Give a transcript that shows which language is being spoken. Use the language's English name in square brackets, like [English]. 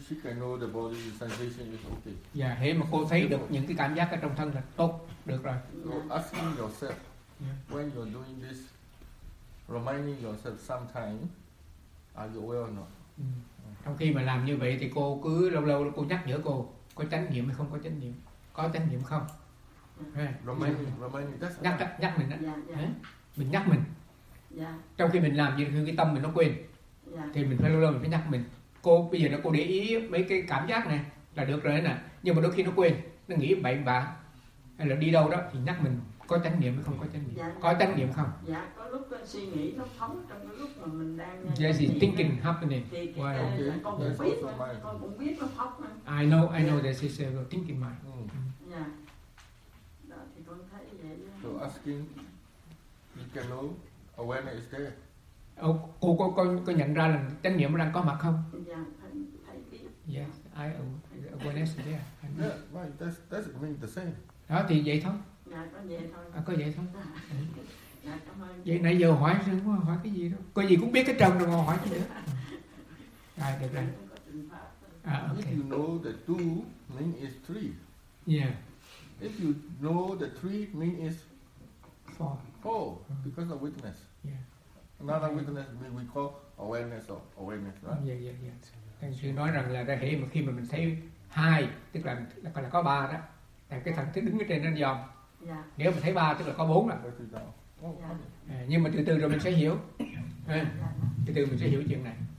[English] She can know the body sensation is okay. [Vietnamese] Yeah, thế mà cô thấy được những cái cảm giác ở trong thân là tốt, được rồi. [English] So asking yourself, when you're doing this, reminding yourself sometimes, are you well or not? [Vietnamese] Trong khi mà làm như vậy thì cô cứ lâu lâu cô nhắc nhở cô, có chánh niệm hay không có chánh niệm, có chánh niệm không? [English] Reminding, [Vietnamese] nhắc mình đó. Mình nhắc mình. Yeah. Trong khi mình làm như cái tâm mình nó quên. Yeah. Thì mình phải lâu lâu mình phải nhắc mình. Cô bây giờ nó cô để ý mấy cái cảm giác này là được rồi nè. Nhưng mà đôi khi nó quên, nó nghĩ bậy bạ hay là đi đâu đó thì nhắc mình có chánh niệm hay không có chánh niệm. Yeah. Có chánh niệm không? Dạ, yeah. Có lúc suy nghĩ nó phóng trong cái lúc mà mình đang [English] yes, it's thinking happening. [Vietnamese] Thì con cũng biết nó phóng. [English] I know that it's a thinking mind. Mm. [Vietnamese] Yeah. Đó thì con thấy vậy. [English] So asking you can know awareness is there. [Vietnamese] Cô có nhận ra là chánh niệm đang có mặt không? Dạ, thầy biết. [English] Yes, I awareness there. Yeah, right, that's mean the same. [Vietnamese] Đó, thì vậy thôi. Dạ, có vậy thôi. À, có vậy thôi. Dạ, cảm ơn. Vậy nãy giờ hỏi cái gì đó. Có gì cũng biết cái trần rồi mà hỏi chứ nữa. Rồi, được rồi. [English] If you know the two, mean is three. Yeah. If you know the three, mean is four. Four, because of witness. Another witness means we call awareness of awareness, right? Yeah, yeah, yeah. [Vietnamese] Thầy sư nói rằng là ra hệ mà khi mà mình thấy hai, tức là còn là có ba đó. Tại cái thằng thức đứng ở trên nó dòm. Yeah. Nếu mà thấy ba tức là có bốn rồi. Yeah. Nhưng mà từ từ rồi mình sẽ hiểu. Từ từ mình sẽ hiểu chuyện này.